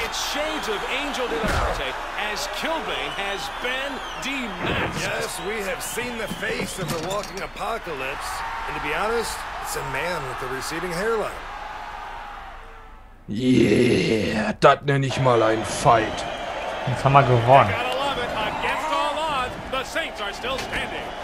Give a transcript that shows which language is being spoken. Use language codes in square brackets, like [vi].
[en] It's shades of Angel De La Morte as Killbane has been demasked. Yes, we have seen the face of the walking apocalypse. And to be honest, it's a man with a receding hairline. [de] Yeah, das nenne ich mal ein Fight. Jetzt haben wir gewonnen. [en] I gotta love it. Against all odds, the Saints are still standing.